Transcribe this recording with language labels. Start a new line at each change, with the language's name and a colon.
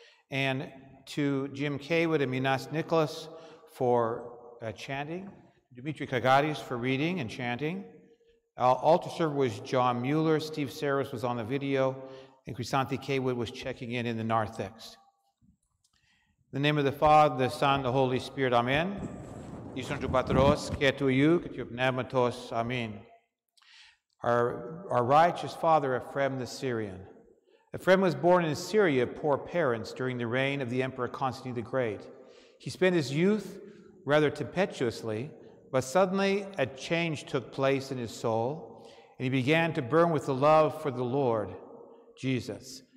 English: And to Jim Kaywood and Minas Nicholas for chanting. Dimitri Kagadis for reading and chanting. Our altar server was John Mueller. Steve Saras was on the video. And Chrysanthi Kaywood was checking in the narthex. In the name of the Father, the Son, the Holy Spirit. Amen.
Greek: Ίσον του Πατρός και του Υιού και του Πνεύματος.
English: Αμήν. Our righteous father, Ephrem the Syrian. Ephrem was born in Syria of poor parents during the reign of the Emperor Constantine the Great. He spent his youth rather tempestuously, but suddenly a change took place in his soul, and he began to burn with the love for the Lord Jesus.